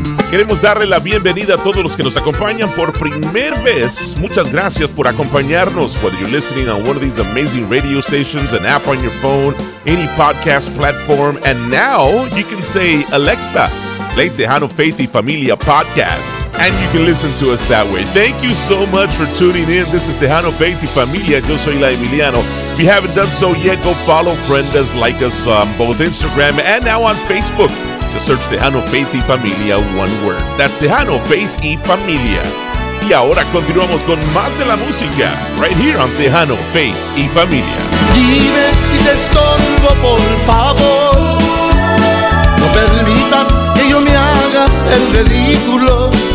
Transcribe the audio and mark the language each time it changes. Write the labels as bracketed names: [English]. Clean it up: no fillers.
[Spanish] queremos darle la bienvenida a todos los que nos acompañan por primera vez. Muchas gracias por acompañarnos. [English] Whether you're listening on one of these amazing radio stations, an app on your phone, any podcast platform, and now you can say, Alexa, play Tejano Faith y Familia podcast, and you can listen to us that way. Thank you so much for tuning in. This is Tejano Faith y Familia. [Spanish] Yo soy La Emiliano. [English] If you haven't done so yet, go follow, friend us, like us on both Instagram and now on Facebook. Just search Tejano Faith y Familia, one word. That's Tejano Faith y Familia. [Spanish] Y ahora continuamos con más de la música, [English] right here on [Spanish] Tejano Faith y Familia. Dime si te estorbo, por favor. No permitas que yo me haga el ridículo.